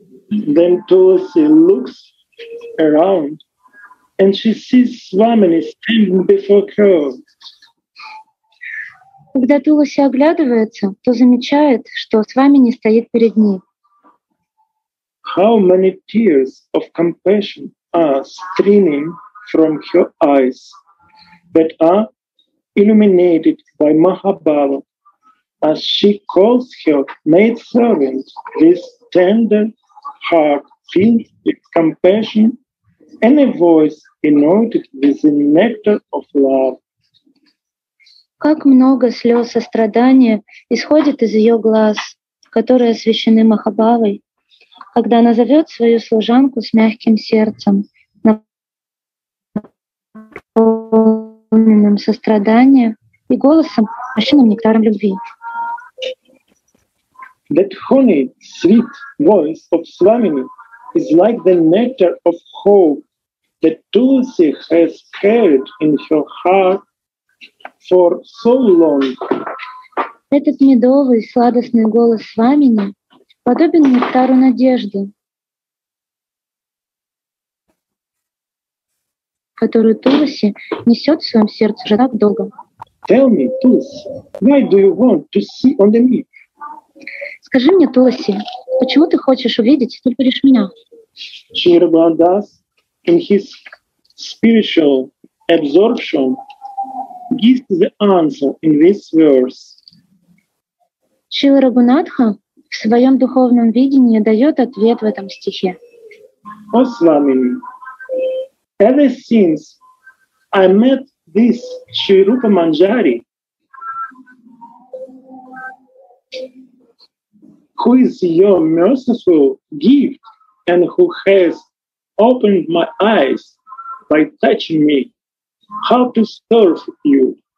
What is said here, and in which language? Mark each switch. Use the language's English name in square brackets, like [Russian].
[English] Then Tulsi looks around and she sees Swamini standing before her. [Russian] Когда Тулоси оглядывается, то замечает, что Свамини стоит перед ней. [English] How many tears of compassion are streaming from her eyes that are illuminated by Mahabhava as she calls her maidservant this tender heart filled with compassion and a voice anointed with the nectar of love. [Russian] Как много слез сострадания исходит из ее глаз, которые освящены Махабхавой, когда она зовет свою служанку с мягким сердцем, наполненным состраданием и голосом, мощным нектаром любви. [English] That honey, sweet voice of Swamini is like the nectar of hope that Tulsi has carried in her heart for so long. [Russian] Этот медовый, сладостный голос Свамини подобен нектару надежды, которую Тулси несет в своем сердце уже так долго. [English] Tell me, Tulsi, why do you want to see only me? [Russian] Скажи мне, Тулси, почему ты хочешь увидеть только лишь меня? [English] Шривадас in his spiritual absorption gives the answer in this verse. [Russian] Шрила Рагхунатха в своем духовном видении дает ответ в этом стихе. [English] О Свамини, ever since I met this Shri Rupa Manjari, who is your merciful gift and who has opened my eyes by touching me, how to serve you.